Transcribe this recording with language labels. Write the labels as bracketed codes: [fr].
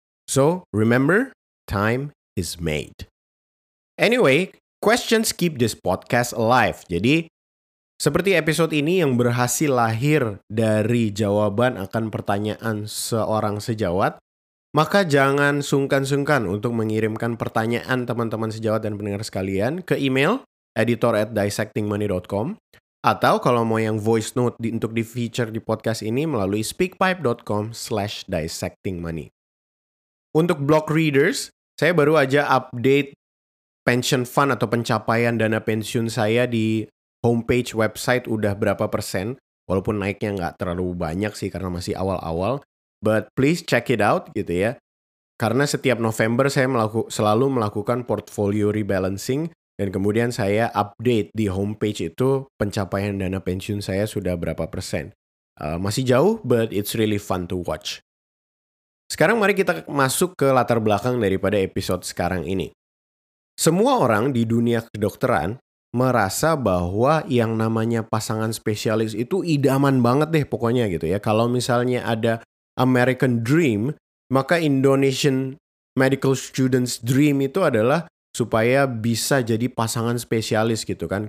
[en] So, remember, time is made. Anyway, questions keep this podcast alive. [id] Jadi, seperti episode ini yang berhasil lahir dari jawaban akan pertanyaan seorang sejawat, maka jangan sungkan-sungkan untuk mengirimkan pertanyaan teman-teman sejawat dan pendengar sekalian ke email editor@dissectingmoney.com, atau kalau mau yang voice note untuk di feature di podcast ini melalui speakpipe.com/dissectingmoney. Untuk blog readers, saya baru aja update pension fund atau pencapaian dana pensiun saya di homepage website udah berapa persen, walaupun naiknya nggak terlalu banyak sih karena masih awal-awal. [en] But please check it out [id] gitu ya. Karena setiap November saya selalu melakukan portfolio rebalancing dan kemudian saya update di homepage itu pencapaian dana pensiun saya sudah berapa persen. Masih jauh, [en] but it's really fun to watch. [id] Sekarang mari kita masuk ke latar belakang daripada episode sekarang ini. Semua orang di dunia kedokteran merasa bahwa yang namanya pasangan spesialis itu idaman banget deh pokoknya gitu ya. Kalau misalnya ada American Dream, maka Indonesian Medical Students Dream itu adalah supaya bisa jadi pasangan spesialis gitu kan.